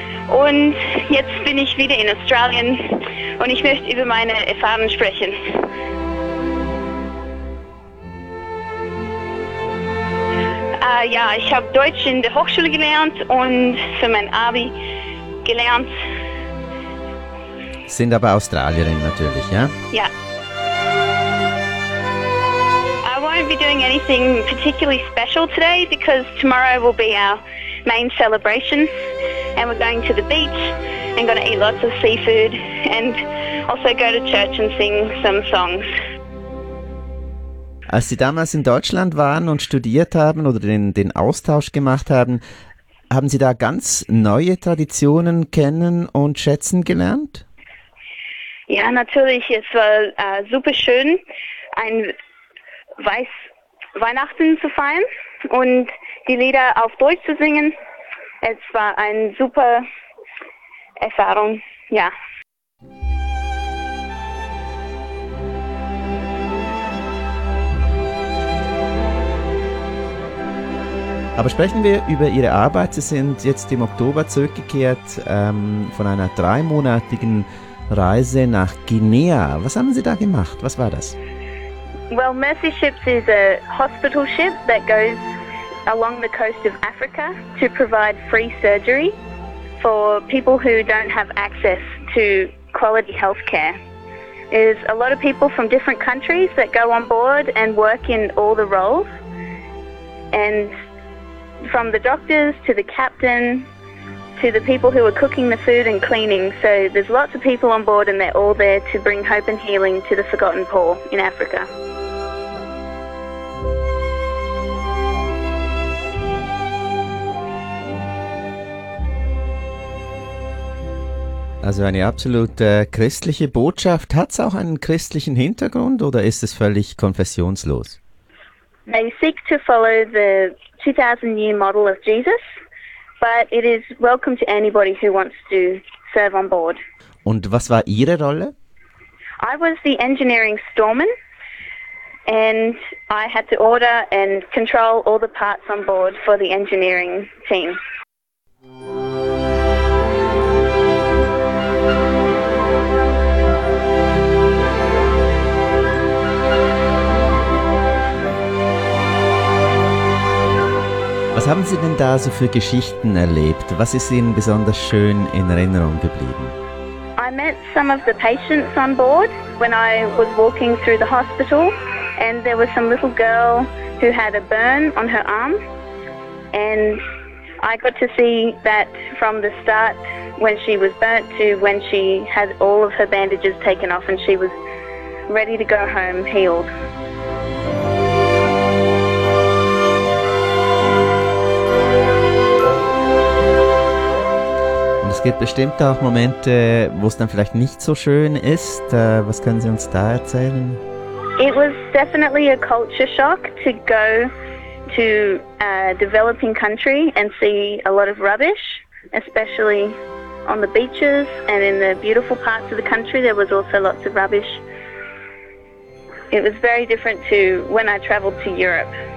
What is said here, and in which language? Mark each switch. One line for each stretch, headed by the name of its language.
German: Und jetzt bin ich wieder in Australien und ich möchte über meine Erfahrungen sprechen. Ja, ich habe Deutsch in der Hochschule gelernt und für mein Abi gelernt. Sind aber Australierin natürlich, ja? Ja.
English: I won't be doing anything particularly special today because tomorrow will be our main celebration and we're going to the beach and going to eat lots of seafood and also go to church and sing some songs.
German: Als Sie damals in Deutschland waren und studiert haben oder den Austausch gemacht haben, haben Sie da ganz neue Traditionen kennen und schätzen gelernt? Ja, natürlich. Es war super schön, ein Weihnachten zu feiern und die Lieder auf Deutsch zu singen. Es war eine super Erfahrung, ja. Aber sprechen wir über Ihre Arbeit. Sie sind jetzt im Oktober zurückgekehrt von einer 3-monatigen Reise nach Guinea. Was haben Sie da gemacht? Was war das?
English: Well, Mercy Ships is a hospital ship that goes along the coast of Africa to provide free surgery for people who don't have access to quality healthcare. There's a lot of people from different countries that go on board and work in all the roles. And from the doctors to the captain to the people who are cooking the food and cleaning. So there's lots of people on board and they're all there to bring hope and healing to the forgotten poor in Africa.
German: Uh, Also eine absolut christliche Botschaft. Hat es auch einen christlichen Hintergrund oder ist es völlig konfessionslos?
English: They seek to follow the 2000-year model of Jesus, but it is welcome to anybody who wants to serve on board.
German: Und was war Ihre Rolle?
English: I was the engineering storeman and I had to order and control all the parts on board for the engineering team.
German: Was haben Sie denn da so für Geschichten erlebt? Was ist Ihnen besonders schön in Erinnerung geblieben?
English: I met some of the patients on board when I was walking through the hospital and there was some little girl who had a burn on her arm and I got to see that from the start when she was burnt to when she had all of her bandages taken off and she was ready to go home healed.
German: Es gibt bestimmt auch Momente, wo es dann vielleicht nicht so schön ist. Was können Sie uns da erzählen?
English: It was definitely a culture shock to go to a developing country and see a lot of rubbish, especially on the beaches and in the beautiful parts of the country. There was also lots of rubbish. It was very different to when I traveled to Europe.